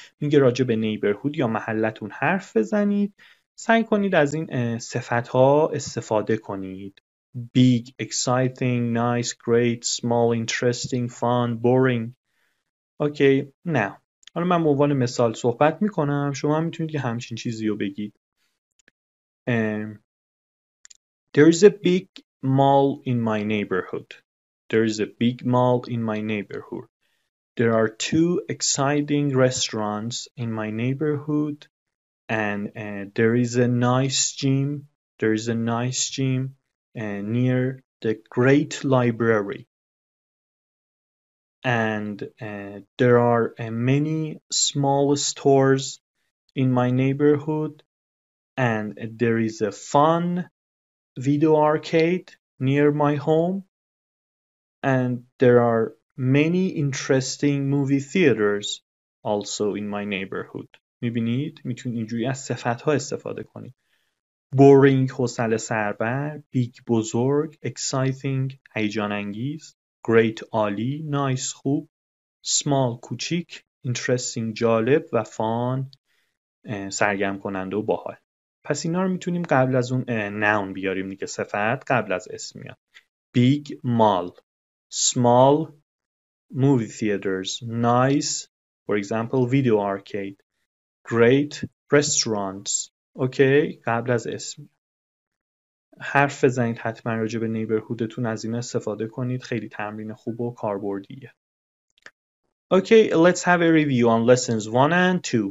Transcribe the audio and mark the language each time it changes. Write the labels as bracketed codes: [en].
[fa] میگه راجع به نیبرهود یا محلتون حرف بزنید. سعی کنید از این صفت ها استفاده کنید. [en] Big, exciting, nice, great, small, interesting, fun, boring. [fa] اوکی، نه. حالا من به عنوان مثال صحبت میکنم، شما هم میتونید که همچین چیزی رو بگید. [en] There is a big mall in my neighborhood. There is a big mall in my neighborhood. There are two exciting restaurants in my neighborhood. And there is a nice gym. There is a nice gym near the great library. And there are many small stores in my neighborhood. And there is a fun video arcade near my home. And there are many interesting movie theaters also in my neighborhood. [fa] میبینید؟ میتونید اینجوری از صفتها استفاده کنید. Boring, حوصله سربر. Big, بزرگ. Exciting, هیجان انگیز. Great, عالی. Nice, خوب. Small, کوچیک. Interesting, جالب و fun, سرگرم کننده و باحال. پس اینا رو میتونیم قبل از اون noun بیاریم دیگه، صفت قبل از اسم میاد. [en] Big, mall. Small, movie theaters. Nice, for example, video arcade. Great restaurants. [fa] Okay, قبل از اسم حرف بزنید حتما راجع به نیبرهودتون از این استفاده کنید، خیلی تمرین خوب و کاربردیه. [en] Okay, let's have a review on lessons 1 and 2.